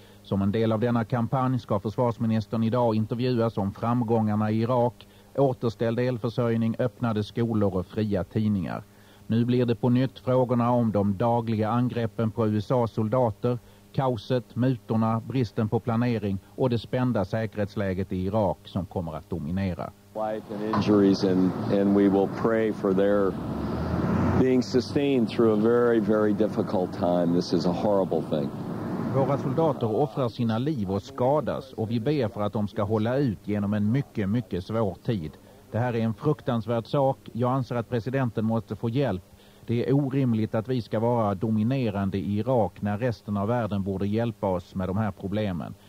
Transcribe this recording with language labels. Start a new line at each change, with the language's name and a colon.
Swedish: Som en del av denna kampanj ska försvarsministern idag intervjuas om framgångarna i Irak, återställd elförsörjning, öppnade skolor och fria tidningar. Nu blir det på nytt frågorna om de dagliga angreppen på USA-soldater, kaoset, mutorna, bristen på planering och det spända säkerhetsläget i Irak som kommer att dominera.
English: Life and injuries, and we will pray for their being sustained through a very, very difficult time. This is a horrible thing.
Swedish: Våra soldater offrar sina liv och skadas och vi ber för att de ska hålla ut genom en mycket, mycket svår tid. Det här är en fruktansvärd sak. Jag anser att presidenten måste få hjälp. Det är orimligt att vi ska vara dominerande i Irak när resten av världen borde hjälpa oss med de här problemen.